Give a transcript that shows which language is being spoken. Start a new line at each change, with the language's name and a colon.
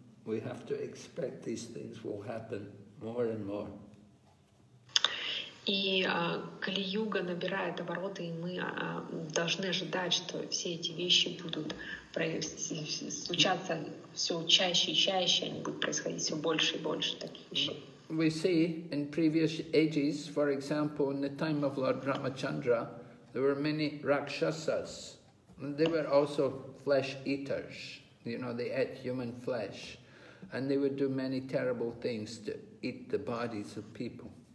English: We have to expect these things will happen more and more.
Russian: И Кали-юга набирает обороты, и мы должны ожидать, что все эти вещи будут случаться все чаще и чаще, они будут происходить все больше и больше таких вещей.
English: We see in previous ages, for example, in the time of Lord Ramachandra, there were many rakshasas. They were also flesh eaters. You know, they ate human flesh. And they would do many terrible things to eat the bodies of people.